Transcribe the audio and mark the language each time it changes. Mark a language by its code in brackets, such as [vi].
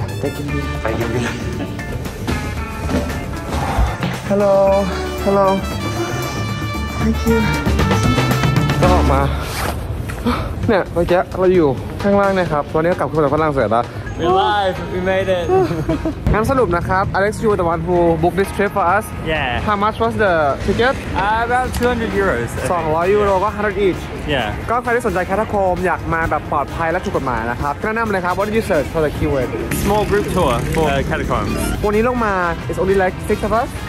[th] ไปกินเบียร์ไปกินเบียร์ [en] ฮัลโหล thank you [th] ก็ออกมาเนี่ยเมื่อกี้เราอยู่ข้างล่างนะครับตอนนี้กลับขึ้นมาจากฝรั่งเศสแล้ว [en] We're alive. We made it. [th] งั้นสรุปนะครับ [en] Alex you the one who booked this trip for us. Yeah. How much was the ticket? About 200 euros. 200 euro ก็ 100 each. Yeah. [th] ก็ใครที่สนใจแคทาคอมอยากมาแบบปลอดภัยและถูกกฎหมายนะครับแนะนำเลยครับ [en] What did you search for the keyword? Small group tour for Catacombs. [th] วันนี้ลงมา [en] It's only like 6 of us.